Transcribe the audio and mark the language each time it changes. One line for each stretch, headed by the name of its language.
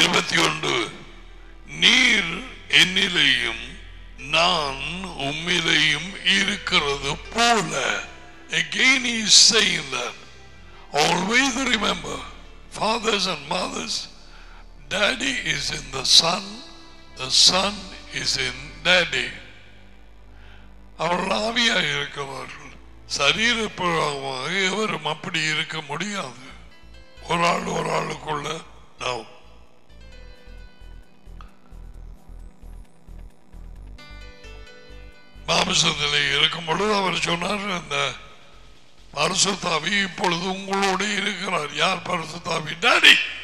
Tamil: 17, நீர் என்னிலேயும் நான் உம்மிலேயும் இருக்கிறது போல.
English: Again he is saying that. Always remember, fathers and mothers, daddy is in the son is in daddy.
Tamil: அவர்கள் ஆவியாக இருக்கிறார்கள், சரீரப்பூர்வமாக எவரும் அப்படி இருக்க முடியாது. ஒராளுக்குள்ள நாம் மாம்சத்தில் இருக்கும் பொழுது அவர் சொன்னார், அந்த பரிசுத்தாவி இப்பொழுது உங்களோட இருக்கிறார். யார் பரிசுத்தாவி? டாடி.